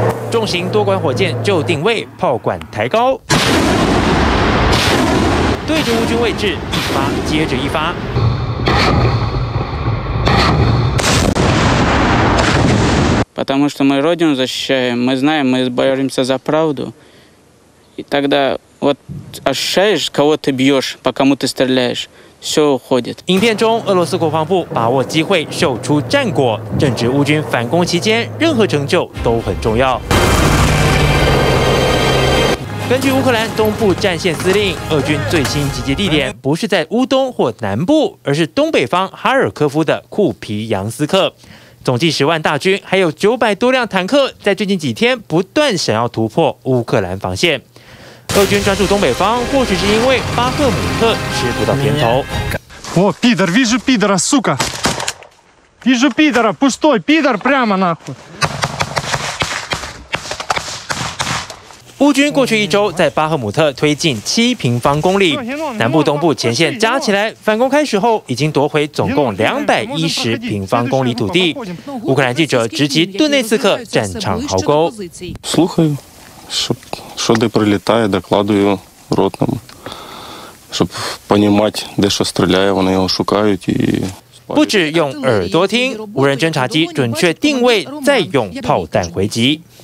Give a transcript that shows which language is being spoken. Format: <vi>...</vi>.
<zh>重型多管火箭就定位，炮管抬高，对着乌军位置一发接着一发。</zh> <ru>Потому что мы родину защищаем, мы знаем, мы боремся за правду. И тогда вот ощущаешь, кого ты бьешь, по кому ты стреляешь. Все уходит.</ru> <zh>影片中，俄罗斯国防部把握机会秀出战果。正值乌军反攻期间，任何成就都很重要。根据乌克兰东部战线司令，俄军最新集结地点不是在乌东或南部，而是东北方哈尔科夫的库皮扬斯克。总计十万大军，还有九百多辆坦克，在最近几天不断想要突破乌克兰防线。俄军专注东北方，或许是因为巴赫姆特吃不到甜头。</zh> <ru>О, пидор, вижу пидора, сука. Вижу пидора, пустой, пидор, прямо нахуй.</ru> <zh>乌军过去一周在巴赫姆特推进七平方公里，南部东部前线加起来反攻开始后已经夺回总共210平方公里土地。乌克兰记者直击顿内茨克战场壕沟。</zh> <ru>Слухаю, что ты прилетаю, докладываю ротному, чтобы понимать, где что стреляю, они его шукают и...</ru> <zh>不止用耳朵听，无人侦察机准确定位，再用炮弹回击。</zh>